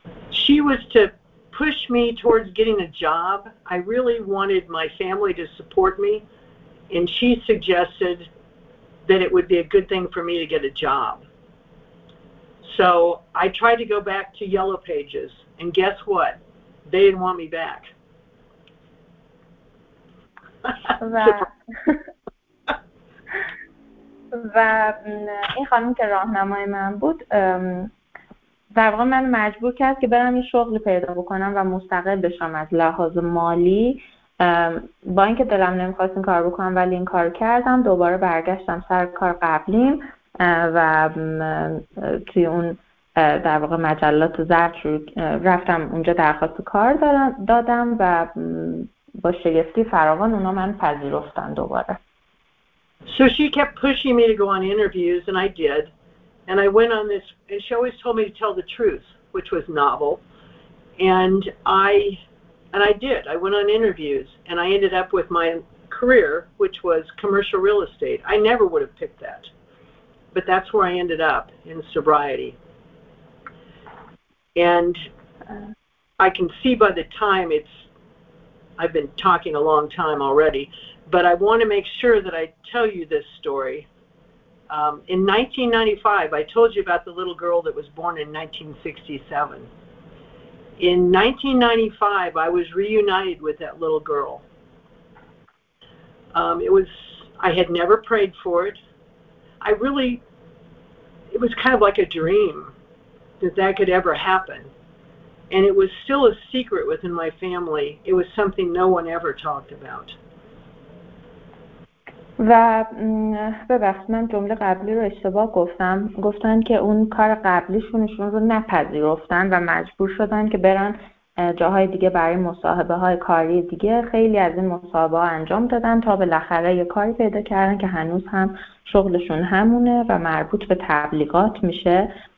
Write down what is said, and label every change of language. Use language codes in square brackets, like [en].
[en] She was to push me towards getting a job. I really wanted my family to support me and she suggested that it would be a good thing for me to get a job. So I tried to go back to Yellow Pages and guess what? They didn't want me back. [fa] و این خانم که راهنمای من بود در واقع من مجبور کرد که برم یه شغلی پیدا بکنم و مستقل بشم از لحاظ مالی. با اینکه دلم نمیخواست این کار بکنم ولی این کار کردم، دوباره برگشتم سر کار قبلیم و توی اون در واقع مجلات زرد رفتم اونجا درخواست کار دادم و با شگفتی فراوان اونا من پذیرفتن دوباره. [en] So she kept pushing me to go on interviews and I did. And I went on this and she always told me to tell the truth, which was novel. And I did. I went on interviews and I ended up with my career, which was commercial real estate. I never would have picked that. But that's where I ended up in sobriety. And I can see by the time I've been talking a long time already, but I want to make sure that I tell you this story. In 1995, I told you about the little girl that was born in 1967. In 1995, I was reunited with that little girl. I had never prayed for it. It was kind of like a dream that could ever happen. And it was still a secret within my family. It was something no one ever talked about. [fa] و ببخشید من جمله قبلی رو اشتباه گفتم. گفتن که اون کار قبلیشونشون رو نپذیرفتن و مجبور شدن که برن جاهای دیگه برای مصاحبه های کاری دیگه. خیلی از این مصاحبه ها انجام دادن تا بالاخره یه کاری پیدا کردن که هنوز هم شغلشون همونه و مربوط به تبلیغات میشه.